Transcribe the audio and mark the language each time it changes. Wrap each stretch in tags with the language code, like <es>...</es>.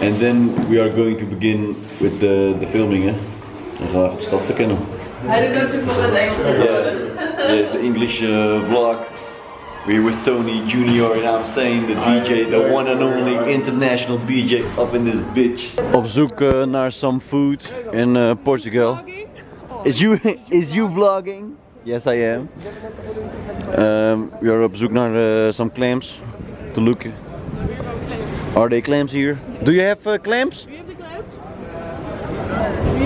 <en>En then we are going to begin with the filming, hè.</en> <nl>Dan gaan we even de stad verkennen. Hij doet ook zoveel met Engels. Dit is de English vlog.</nl> <en>We're with Tony Jr. and I'm saying the DJ, the one and only international DJ up in this bitch.</en> <nl>Op zoek naar</nl> <en>some food in Portugal. Is you vlogging? Yes, I am. We are</en> <nl>op zoek naar</nl> <en>some clams to look. Are they clams here? Do you have clams? We have the</en>